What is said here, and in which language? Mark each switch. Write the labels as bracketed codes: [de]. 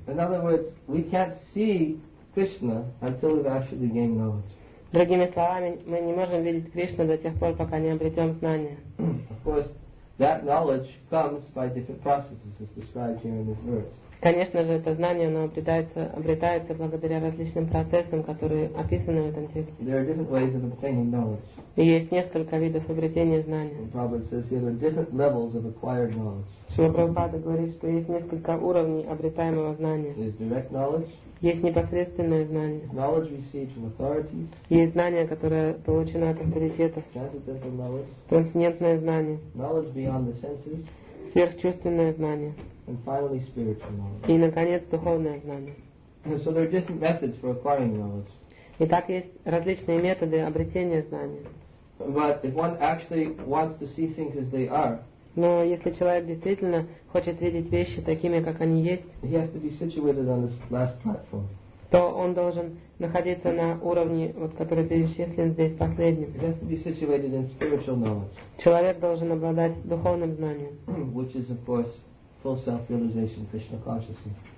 [en] In other words, we can't see Krishna until we've actually gained knowledge. [ru] Другими словами, мы не можем видеть Кришну до тех пор, пока не обретем знания. [en] Of course, that knowledge comes by different processes, as described here in this verse. [ru] Конечно же, это знание, оно обретается благодаря различным процессам, которые описаны в этом тексте. [en] There are different ways of obtaining knowledge. [ru] И есть несколько видов обретения знания. [en] And Prabhupada says there are different levels of acquired knowledge. [ru] Шрила Прабхупада говорит, что есть несколько уровней обретаемого знания. [en] There is direct knowledge. [ru] Есть непосредственное знание. [en] Knowledge received from authorities. [ru] Есть знание, которое получено от авторитетов. [en] Transcendental knowledge. [ru] Трансцендентное знание. [en] Knowledge beyond the senses. [ru] Сверхчувственное знание. [en] And finally, spiritual knowledge. [ru] И, наконец, духовное знание. [en] So there are different methods for acquiring knowledge. [ru] Итак, есть различные методы обретения знания. [en] But if one actually wants to see things as they are, [ru] но если человек действительно хочет видеть вещи такими, как они есть, [en] he has to be situated on this last platform. [ru] То он должен находиться на уровне, вот, который перечислен здесь последним. [en] He has to be situated in spiritual knowledge. [ru] Человек должен обладать духовным знанием, [en] which is, of course, full self-realization, Krishna consciousness.